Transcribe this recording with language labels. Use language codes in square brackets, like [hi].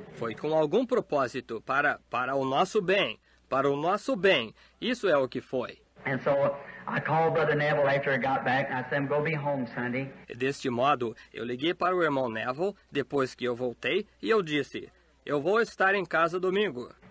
[pt] Foi com algum propósito, para o nosso bem. Para o nosso bem. Isso é o que foi. [en] And so I called Brother Neville after I got back, and I said, go be home Sunday. [pt] Deste modo, eu liguei para o irmão Neville depois que eu voltei, e eu disse, eu vou estar em casa domingo.